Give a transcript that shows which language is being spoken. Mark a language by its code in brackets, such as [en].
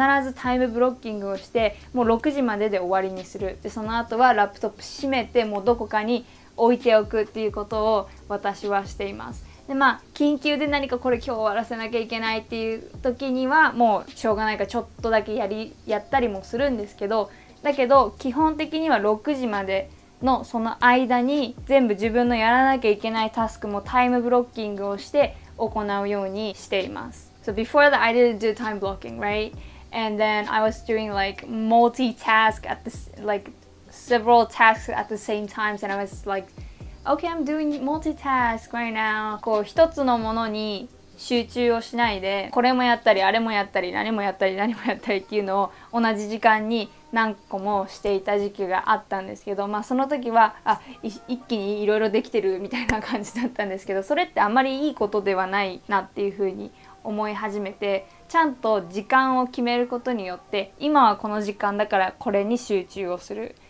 [ja] ずタイムブロッキングをしてもう6時までで終わりにするでその後はラップトップ閉めてもうどこかに置いておくっていうことを私はしていますでまあ緊急で何かこれ今日終わらせなきゃいけないっていう時にはもうしょうがないからちょっとだけやったりもするんですけどだけど基本的には6時までのその間に全部自分のやらなきゃいけないタスクもタイムブロッキングをして行うようにしています [en] So before that I didn't do time blocking, right? And then I was doing like multitask at this like several tasks at the same time and I was likeOkay, I'm doing multitask right now. [ja] こう一つのものに集中をしないで、これもやったり、あれもやったり、何もやったり、何もやったりっていうのを同じ時間に何個もしていた時期があったんですけど、まあその時は、あ、一気にいろいろできてるみたいな感じだったんですけど、それってあまりいいことではないなっていうふうに思い始めて、ちゃんと時間を決めることによって、今はこの時間だからこれに集中をする。